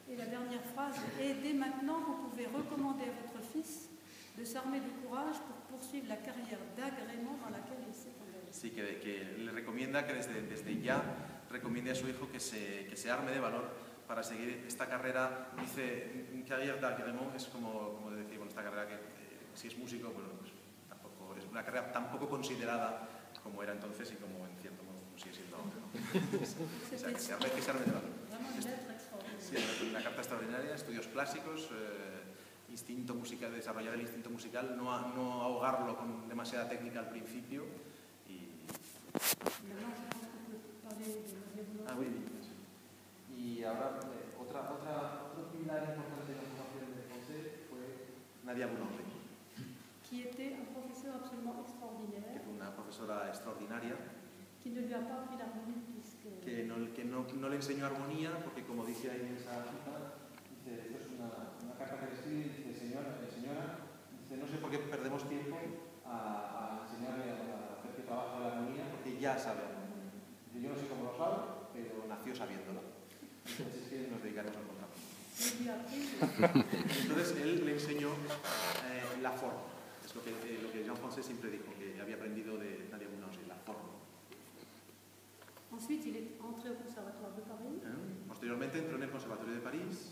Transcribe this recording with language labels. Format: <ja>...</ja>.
<fr>Y la dernière phrase, et dès maintenant, vous pouvez recommander à votre fils de s'armer de courage pour poursuivre la carrière d'agrément dans laquelle il s'est engagé.</fr> <es>Sí, que le recomienda que desde ya recomiende a su hijo que se arme de valor para seguir esta carrera. Dice,</es> <fr>carrière d'agrément,</fr> <es>es como de decir, bueno, esta carrera que si es músico, bueno, pues tampoco, es una carrera tan poco considerada como era entonces y como en cierto modo sigue siendo ahora, ¿no? O sea, que se arme de valor. Sí, una carta extraordinaria, estudios clásicos, instinto musical, desarrollar el instinto musical, no ahogarlo con demasiada técnica al principio. Y ahora, otro pilar importante de la formación de José fue Nadia Boulanger,</es> <fr>qui était un professeur absolument extraordinaire.</fr> <es>Que fue una profesora extraordinaria.</es> <fr>Qui ne lui a pas appris l'harmonie puisque.</fr> <es>Que no le enseñó armonía, porque como dice ahí en esa cita, dice, esto es una carta que le escribe, dice, señora, dice, no sé por qué perdemos tiempo a enseñarle a hacer que trabaje la armonía, porque ya sabe. Dice, yo no sé cómo lo sabe, pero nació sabiéndolo. Entonces, ¿qué? Nos dedicaremos al contrato. Entonces él le enseñó la forma. Es lo que Jean-François siempre dijo, que había aprendido de Nadia Boulanger, la forma.</es> <fr>Ensuite, il est entré au Conservatoire de Paris.</fr> <es>Posteriormente, entró en el Conservatorio de París.</es>